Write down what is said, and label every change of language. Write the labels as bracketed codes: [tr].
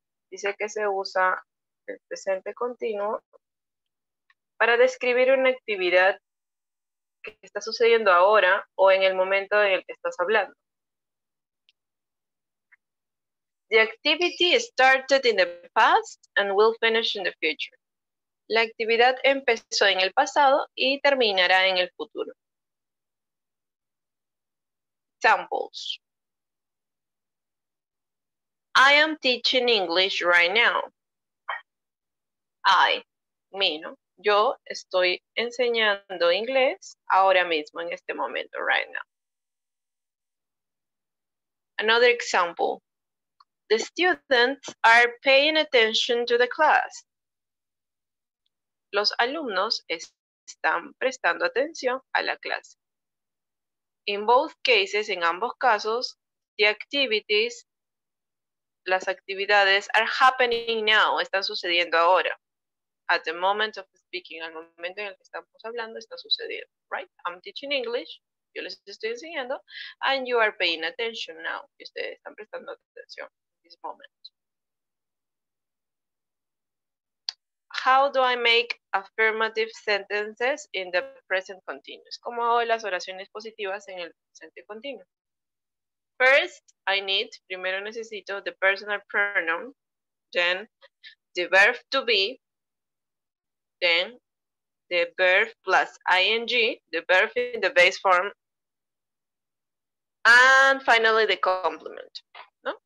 [es] Dice que se usa el presente continuo para describir una actividad que está sucediendo ahora o en el momento en el que estás hablando. [en] The activity started in the past and will finish in the future. [es] La actividad empezó en el pasado y terminará en el futuro. [en] Examples. I am teaching English right now. I, me, ¿no? [es] Yo estoy enseñando inglés ahora mismo, en este momento, [en] right now. Another example. The students are paying attention to the class. [es] Los alumnos están prestando atención a la clase. [en] In both cases, [es] en ambos casos, [en] the activities, [es] las actividades [en] are happening now, [es] están sucediendo ahora. [en] At the moment of speaking, [es] al momento en el que estamos hablando, está sucediendo, right? [en] I'm teaching English, [es] yo les estoy enseñando, [en] and you are paying attention now, [es] y ustedes están prestando atención [en] in this moment. How do I make affirmative sentences in the present continuous? [es] ¿Cómo hago las oraciones positivas en el presente continuo? [en] First, I need, [es] primero necesito [en] the personal pronoun, then the verb to be, then the verb plus ing, the verb in the base form, and finally the complement, ¿no?